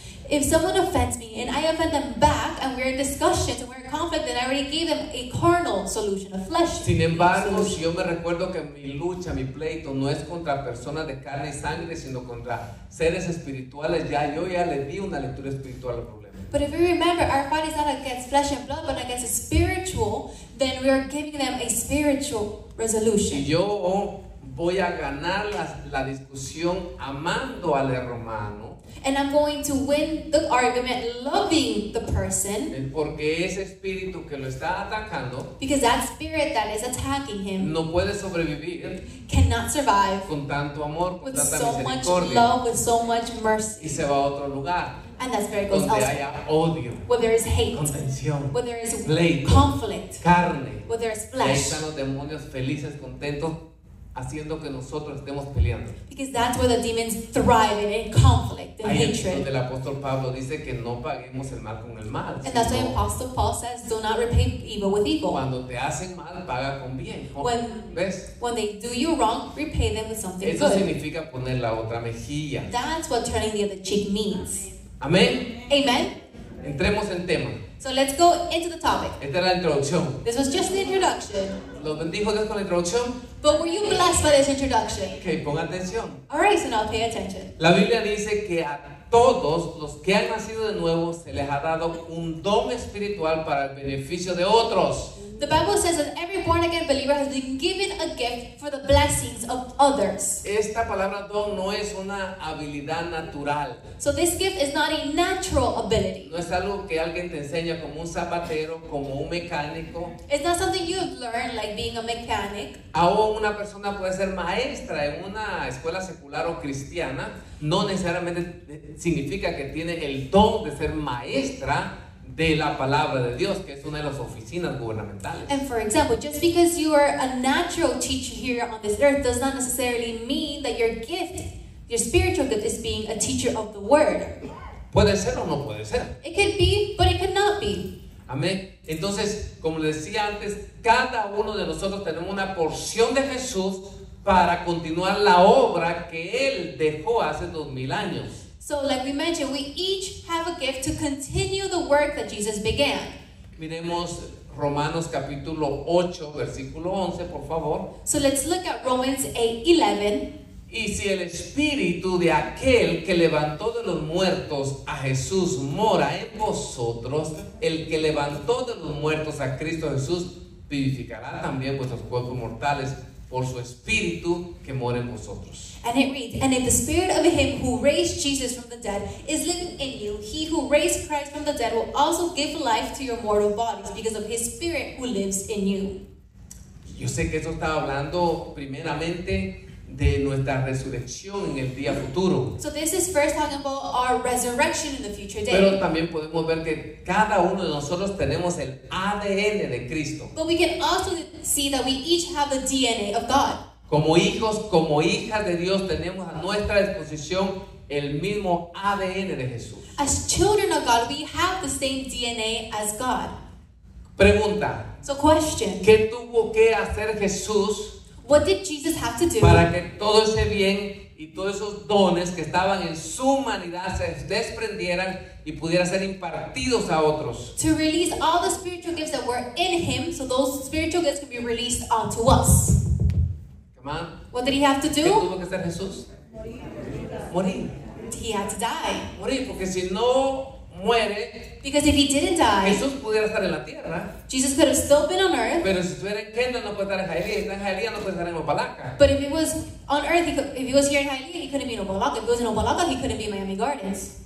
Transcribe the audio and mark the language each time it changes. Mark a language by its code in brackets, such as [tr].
[en] If someone offends me and I offend them back and we're in discussions and we're in conflict, then I already gave them a carnal solution, a flesh. [es] Sin embargo, si yo me recuerdo que mi lucha, mi pleito, no es contra personas de carne y sangre, sino contra seres espirituales, ya yo ya le di una lectura espiritual al problema. [en] But if we remember our fight is not against flesh and blood, but against a spiritual, then we are giving them a spiritual resolution. [es] Y yo voy a ganar la discusión amando al hermano. [en] And I'm going to win the argument loving the person. [es] Porque ese espíritu que lo está atacando, [en] because that spirit that is attacking him, [es] no puede sobrevivir, [en] cannot survive [es] con tanto amor, con [en] with [es] tanta [en] so much love, with so much mercy. [es] Y se va a otro lugar, [en] and that spirit goes [es] donde [en] elsewhere. [es] Haya odio, [en] where there is hate, [es] contención, [en] where there is [es] pleito, [en] conflict, [es] carne, [en] where there is flesh. [es] Ahí están los demonios felices, contentos, haciendo que nosotros estemos peleando. [en] Because that's where the demons thrive in conflict and [es] ahí [en] hatred. [es] Donde el apóstol Pablo dice que no paguemos el mal con el mal. [en] And that's why Apostle Paul says, do not repay evil with evil. [es] Cuando te hacen mal, paga con bien. [en] When, [es] ¿ves? [en] When they do you wrong, repay them with something [es] eso [en] good. [es] Eso significa poner la otra mejilla. [en] That's what turning the other cheek means. [es] Amén. [en] Amen. [es] Entremos en tema. [en] So let's go into the topic. [es] Esta es la introducción. [en] This was just the introduction. [es] ¿Lo bendijo Dios con la introducción? [en] But were you blessed by this introduction? [es] Okay, ponga atención. [en] All right, so now pay attention. [es] La Biblia dice que a todos los que han nacido de nuevo se les ha dado un don espiritual para el beneficio de otros. [en] The Bible says that every born again believer has been given a gift for the blessings of others. [es] Esta palabra don no es una habilidad natural. [en] So this gift is not a natural ability. [es] No es algo que alguien te enseña como un zapatero, como un mecánico. [en] It's not something you've learned like being a mechanic. [es] Aún una persona puede ser maestra en una escuela secular o cristiana, no necesariamente significa que tiene el don de ser maestra de la palabra de Dios, que es una de las oficinas gubernamentales. [en] And for example, just because you are a natural teacher here on this earth does not necessarily mean that your gift, your spiritual gift, is being a teacher of the word. [es] Puede ser o no puede ser. [en] It could be, but it cannot be. [es] Amén. Entonces, como les decía antes, cada uno de nosotros tenemos una porción de Jesús para continuar la obra que Él dejó hace 2000 años. [en] So like we mentioned, we each have a gift to continue the work that Jesus began. [es] Miremos Romanos capítulo 8, versículo 11, por favor. [en] So let's look at Romans 8:11. [es] Y si el espíritu de aquel que levantó de los muertos a Jesús mora en vosotros, el que levantó de los muertos a Cristo Jesús vivificará también vuestros cuerpos mortales por su espíritu que mora en vosotros. [en] And it reads, and if the spirit of him who raised Jesus from the dead is living in you, he who raised Christ from the dead will also give life to your mortal bodies because of his spirit who lives in you. [es] Yo sé que esto está hablando primeramente de nuestra resurrección en el día futuro. [en] So this is first talking about our resurrection in the future day. [es] Pero también podemos ver que cada uno de nosotros tenemos el ADN de Cristo. [en] But we can also see that we each have the DNA of God. [es] Como hijos, como hijas de Dios, tenemos a nuestra disposición el mismo ADN de Jesús. [en] As children of God, we have the same DNA as God. [es] Pregunta. [en] So question. [es] ¿Qué tuvo que hacer Jesús? [en] What did Jesus have to do? [es] Para que todo ese bien y todos esos dones que estaban en su humanidad se desprendieran y pudieran ser impartidos a otros. [en] To release all the spiritual gifts that were in him, so those spiritual gifts could be released onto us. Come on. What did he have to do? [es] ¿Qué tuvo que hacer Jesús? Morir. [en] He had to die. [es] Morir, porque si no muere. [en] Because if he didn't die, [es] Jesús pudiera estar en la tierra. [en] Jesus could have still been on earth. [es] Pero si estuviera en Kendall no puede estar en Hialeah. Si está en Hialeah no puede estar en Opa-locka. [en] But if he was on earth, he could, if he was here in Hialeah, he couldn't be in Opa-locka. If he was in Opa-locka, he couldn't be in Miami Gardens.